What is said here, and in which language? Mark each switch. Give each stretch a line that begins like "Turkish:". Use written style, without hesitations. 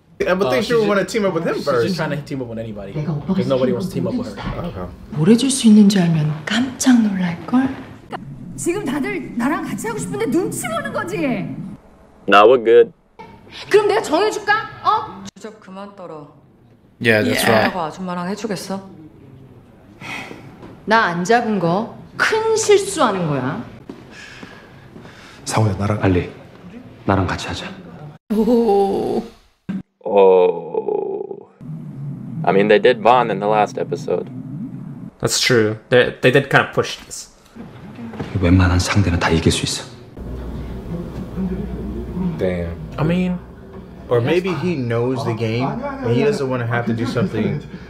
English: Yeah, but I think she would want to team up with him she's first. She's just trying to team up with anybody. Because nobody wants to team up with her. Okay.
Korean: 뭘 해줄 수 있는지 알면 깜짝 놀랄걸? 지금 다들 나랑 같이 하고 싶은데 눈치 보는 거지?
English: Nah, we're good.
Korean: 그럼 내가 정해줄까? 어? 주접 그만 떨어.
English: Yeah, that's right.
Korean: 내가 아줌마랑 해주겠어? 나 안 잡은 거 큰 실수하는 거야. 상우야, 나랑 알리. 나랑 같이 하자. 오.
English: Oh, I mean, they did bond in the last episode. That's true. They did kind of push this.
Korean: 웬만한 상대는 다 이길 수 있어.
English: Damn. I mean, or yes, maybe he knows the game and he doesn't want to have to do something.